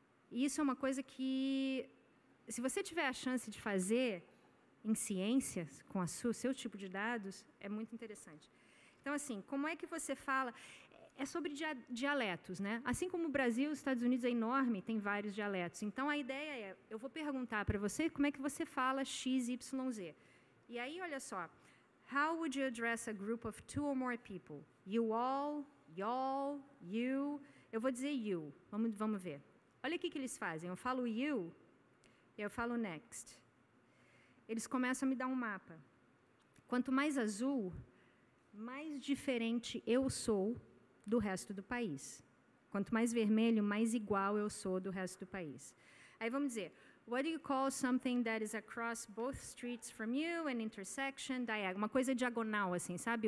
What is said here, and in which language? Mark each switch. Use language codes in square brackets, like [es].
[pt] Isso é uma coisa que, se você tiver a chance de fazer em ciências, com o seu tipo de dados, é muito interessante. Então, assim, como é que você fala? É sobre dialetos, né? Assim como o Brasil, os Estados Unidos é enorme, tem vários dialetos. Então, a ideia é, eu vou perguntar para você como é que você fala X, Y, Z. E aí, olha só. [en] How would you address a group of two or more people? You all, y'all, you. [pt] Eu vou dizer you. Vamos ver. Olha o que eles fazem. Eu falo you e eu falo next. Eles começam a me dar um mapa. Quanto mais azul, mais diferente eu sou do resto do país. Quanto mais vermelho, mais igual eu sou do resto do país. Aí vamos dizer, [en] what do you call something that is across both streets from you, an intersection, diagonal, [pt] uma coisa diagonal, assim, sabe?